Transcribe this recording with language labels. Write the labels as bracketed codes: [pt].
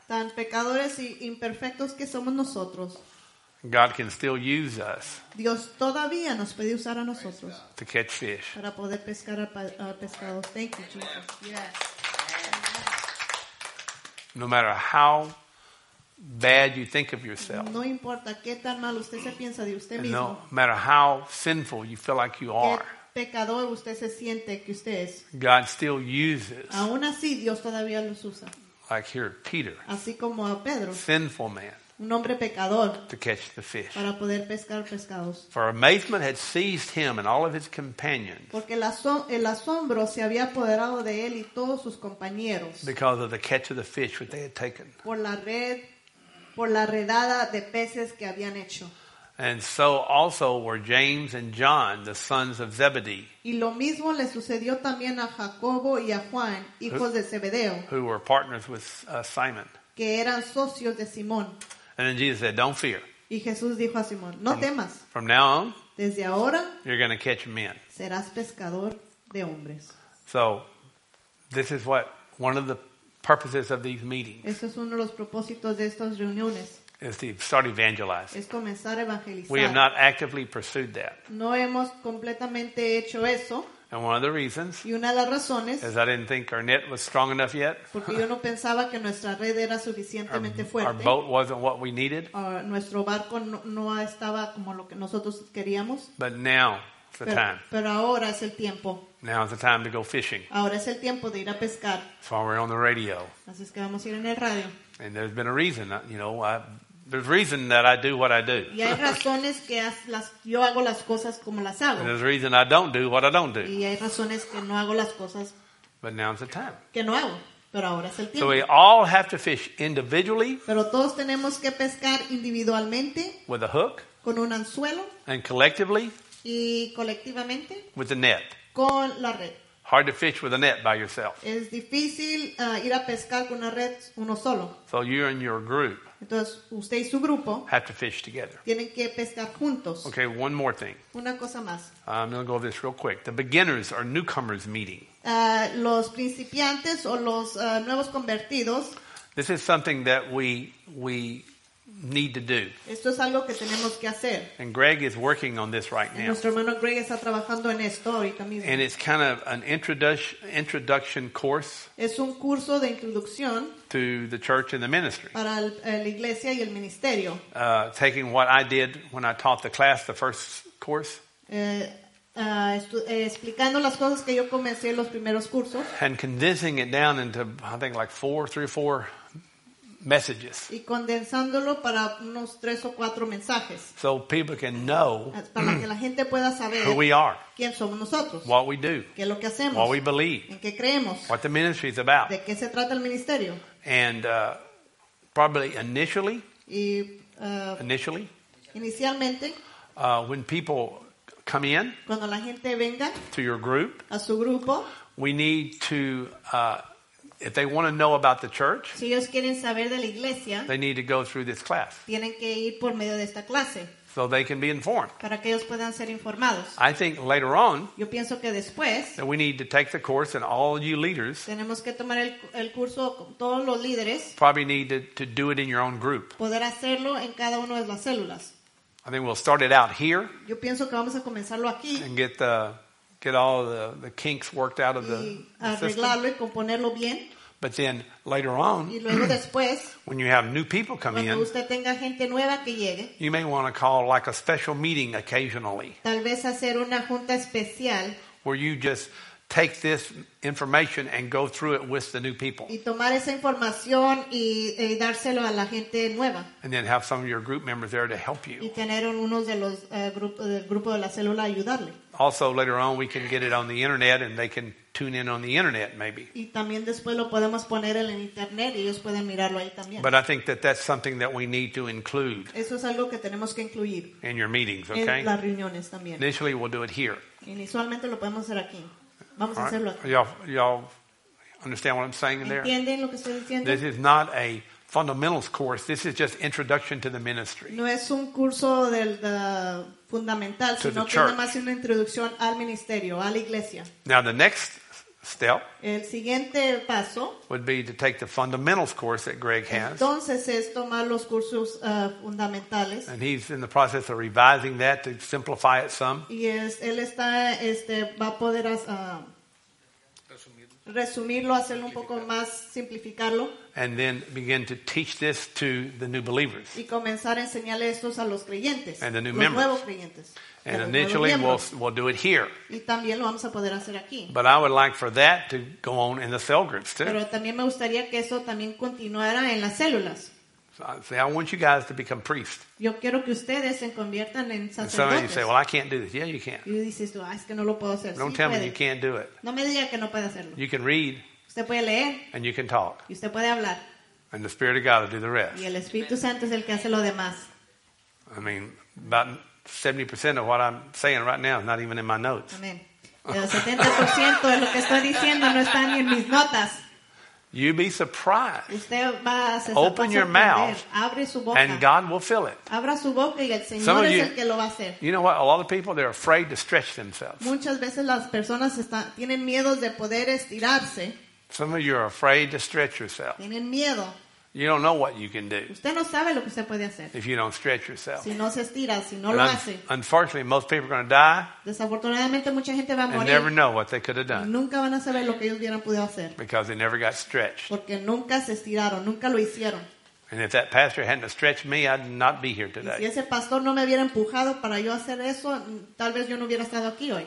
[es] tan pecadores y imperfectos que somos nosotros, [en] God can still use us. [es] Dios todavía nos puede usar a nosotros. [en] To catch fish. [es] Para poder pescar a pescados. [en] Thank you, Jesus. Yes. No matter how bad you think of yourself. [es] No importa qué tan mal usted se piensa de usted mismo. [en] No matter how sinful you feel like you are. [es] Qué pecador usted se siente que usted es. [en] God still uses. [es] Aún así, Dios todavía los usa. [en] Like here, Peter. [es] Así como a Pedro. [en] Sinful man. [es] Un hombre pecador. [en] To catch the fish. [es] Para poder pescar pescados. [en] For amazement had seized him and all of his companions. [es] Porque el asombro se había apoderado de él y todos sus compañeros. [en] Because of the catch of the fish which they had taken. [es] Por la redada de peces que habían hecho. [en] And so also were James and John, the sons of Zebedee. [es] Y lo mismo le sucedió también a Jacobo y a Juan, hijos de Zebedeo. [en] Who were partners with Simon. [es] Que eran socios de Simón. [en] And then Jesus said, "Don't fear." [es] Y Jesús dijo a Simón, "No temas." [en] From now on, [es] desde ahora, [en] you're going to catch men. [es] Serás pescador de hombres. [en] So, this is what one of the purposes of these meetings. [es] Esto es uno de los propósitos de estas reuniones. [en] Is to start evangelizing. [es] Es comenzar a evangelizar. [en] We have not actively pursued that. [es] No hemos completamente hecho eso. [en] And one of the reasons [es] y una de las razones, [en] is I didn't think our net was strong enough yet. [es] Porque yo no pensaba que nuestra red era suficientemente fuerte. [en] Our boat wasn't what we needed. [es] Nuestro barco no estaba como lo que nosotros queríamos. [en] But now is the time. [es] Pero ahora es el tiempo. [en] Now is the time to go fishing. [es] Ahora es el tiempo de ir a pescar. [en] That's why we're on the radio. [es] Así es que vamos a ir en el radio. [en] And there's been a reason, you know, there's reason that I do what I do. [es] Y hay razones que yo hago las cosas como las hago. [en] And there's reason I don't do what I don't do. [es] Y hay razones que no hago las cosas. [en] But now's the time. [es] Que no hago, pero ahora es el tiempo. [en] So we all have to fish individually. [es] Pero todos tenemos que pescar individualmente. [en] With a hook. [es] Con un anzuelo. [en] And collectively. [es] Y colectivamente. [en] With the net. [es] Con la red. [en] Hard to fish with a net by yourself. [es] Es difícil ir a pescar con una red uno solo. [en] So you and your group. [es] Entonces usted y su grupo. [en] Have to fish together. [es] Tienen que pescar juntos. [en] Okay, one more thing. [es] Una cosa más. [en] I'm going to go over this real quick. The beginners or newcomers meeting. [es] Los principiantes o los nuevos convertidos. [en] This is something that we need to do. [es] Esto es algo que tenemos que hacer. [en] And Greg is working on this right now. [es] Nuestro hermano Greg está trabajando en esto ahorita mismo. [en] And it's kind of an introduction course. [es] Es un curso de introducción. [en] To the church and the ministry. [es] Para la iglesia y el ministerio. [en] Taking what I did when I taught the class, the first course. [es] Explicando las cosas que yo comencé en los primeros cursos. [en] And condensing it down into, I think, like three or four. Messages. [es] Y condensándolo para unos tres o cuatro mensajes. [en] So people can know [es] para que la gente pueda saber [en] who we are, [es] quién somos nosotros, [en] what we do, [es] qué es lo que hacemos, [en] what we believe, [es] en qué creemos, [en] what the ministry is about, [es] de qué se trata el ministerio. [en] And probably initially, [es] inicialmente, [en] when people come in, [es] cuando la gente venga, [en] to your group, [es] a su grupo, [en] we need to. If they want to know about the church, [es] si ellos quieren saber de la iglesia, [en] they need to go through this class. [es] Tienen que ir por medio de esta clase. [en] so they can be informed. [es] Para que ellos puedan ser informados. [en] I think later on, [es] yo pienso que después, [en] that we need to take the course, and all you leaders, [es] tenemos que tomar el curso con todos los líderes, [en] probably need to do it in your own group. [es] Poder hacerlo en cada uno de las células. [en] I think we'll start it out here. [es] Yo pienso que vamos a comenzarlo aquí. [en] And get all the kinks worked out of the [es] arreglarlo y componerlo bien. [en] But then later on, [es] y luego después, [en] when you have new people come [es] cuando [en] in, [es] usted tenga gente nueva que llegue, [en] you may want to call like a special meeting occasionally. [es] Tal vez hacer una junta especial, [en] where you just take this information and go through it with the new people. [es] Y tomar esa información y dárselo a la gente nueva. [en] And then have some of your group members there to help you. [es] Y tener unos de los grupo de la célula ayudarle. [en] Also, later on, we can get it on the internet, and they can tune in on the internet, maybe. [es] Y también después lo podemos poner en internet y ellos pueden mirarlo ahí también. [en] But I think that that's something that we need to include. [es] Eso es algo que tenemos que incluir. [en] In your meetings, okay? [es] En las reuniones también. [en] Initially, we'll do it here. [es] Inicialmente lo podemos hacer aquí. Vamos [en] right. [es] a hacerlo. [en] Y'all understand what I'm saying there? [es] ¿Entienden lo que estoy diciendo? [en] This is not a fundamentals course. This is just introduction to the ministry. [es] No es un curso del fundamental, sino que es más una introducción al ministerio, a la iglesia. [en] Now the next step. [es] El siguiente paso [en] would be to take the fundamentals course that Greg has. [es] Entonces es tomar los cursos fundamentales. [en] And he's in the process of revising that to simplify it some. [es] Y es, él está va a poder resumirlo, hacerlo un poco más, simplificarlo. [en] And then begin to teach this to the new believers. [es] Y comenzar a enseñarle estos a los creyentes. [en] And the new [es] los [en] members. [es] Nuevos creyentes. [en] And initially, we'll do it here. [es] Y también lo vamos a poder hacer aquí. [en] But I would like for that to go on in the cell groups too. [es] Pero también me gustaría que eso también continuara en las células. [en] So I want you guys to become priests. [es] Yo quiero que ustedes se conviertan en sacerdotes. [en] And some of you say, well, I can't do this. Yeah, you can. [es] Y dices tú, es que no lo puedo hacer. [en] Don't [es] sí, [en] tell [es] puede. [en] Me you can't do it. [es] No me diga que no puede hacerlo. [en] You can read. [es] Usted puede leer. [en] And you can talk. [es] Y usted puede hablar. [en] And the Spirit of God will do the rest. [es] Y el Espíritu Santo es el que hace lo demás. [en] I mean, about 70% of what I'm saying right now is not even in my notes. Amen. [es] El 70% de lo que estoy diciendo no está ni en mis notas. [en] You'd be surprised. [es] Usted va a ser [en] open your mouth. [es] Abre su boca. [en] And God will fill it. [es] Abra su boca y el Señor [en] Some of you, [es] es el que lo va a hacer. [en] You know what? A lot of people, they're afraid to stretch themselves. [es] Muchas veces las personas tienen miedo de poder estirarse. [en] Some of you are afraid to stretch yourself. [es] Tienen miedo. [en] You don't know what you can do. [es] Usted no sabe lo que usted puede hacer. [en] If you don't stretch yourself. [es] Si no se estira, si no lo hace. [en] Unfortunately, most people are going to die. [es] Desafortunadamente, mucha gente va a morir. [en] And never know what they could have done. [es] Nunca van a saber lo que ellos hubieran podido hacer. [en] Because they never got stretched. [es] Porque nunca se estiraron, nunca lo hicieron. [en] And if that pastor hadn't stretched me, I'd not be here today. [es] Y si ese pastor no me hubiera empujado para yo hacer eso, tal vez yo no hubiera estado aquí hoy.